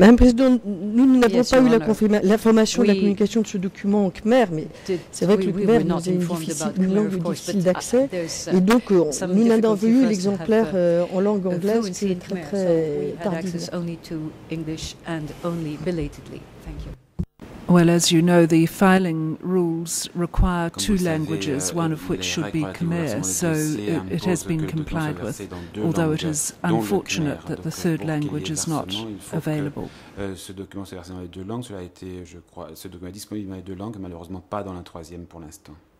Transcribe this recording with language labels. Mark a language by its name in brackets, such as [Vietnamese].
[French] la Présidente, nous n'avons pas eu l'information de la communication de ce document en Khmer, mais c'est vrai que le Khmer nous est une langue difficile d'accès, et donc nous n'avons pas eu l'exemplaire en langue anglaise, c'est très très tardivement. [English] Well, as you know, the filing rules require two languages, one of which should be Khmer, so it has been complied with, although it is unfortunate that the third language is not available. [French] Ce document s'est versé dans les deux langues, cela a été, je crois, ce document est disponible dans les deux langues, malheureusement pas dans la troisième pour l'instant.